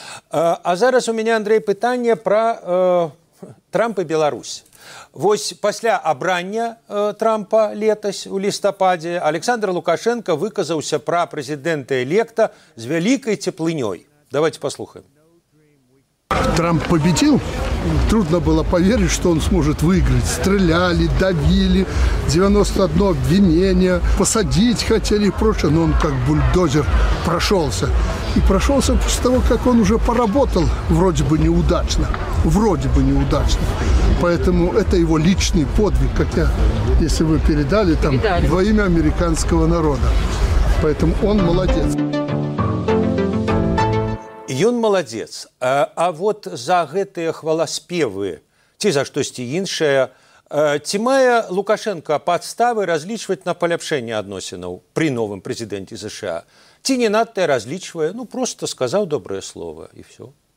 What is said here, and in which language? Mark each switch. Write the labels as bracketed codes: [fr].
[be] А зараз у мяне, Андрэй, пытанне пра Трамп і Беларусь. Вось пасля абрання Трампа летась у лістападзе Александр Лукашэнка выказаўся пра прэзідэнта электа з вялікай цеплынёй. Давайте паслухаем. [ru] Трамп победил. Трудно было поверить, что он сможет выиграть. Стреляли, давили, 91 обвинение, посадить хотели и прочее. Но он как бульдозер прошелся. И прошелся после того, как он уже поработал вроде бы неудачно. Вроде бы неудачно. Поэтому это его личный подвиг, хотя, если вы передали, там передали. Во имя американского народа. Поэтому он молодец. [be] Ён маладзец, а вот за гэтыя хваласпевы, ці за штосьці іншае, ці мае Лукашэнка падставы разлічваць на паляпшэнне адносінаў пры новым прэзідэнце США? Ці не надта разлічвае, ну проста сказаў добрае слова і ўсё.